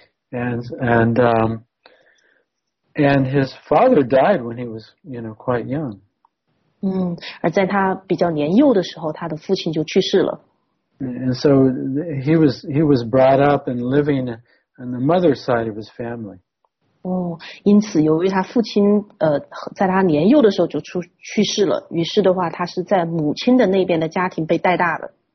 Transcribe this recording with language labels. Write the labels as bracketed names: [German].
[English] And his father died when he was, you know, quite young. [Chinese] 而在他比较年幼的时候，他的父亲就去世了。 [English] And so he was brought up and living on the mother's side of his family. [Chinese] 因此由于他父亲在他年幼的时候就去世了，于是的话他是在母亲的那边的家庭被带大的。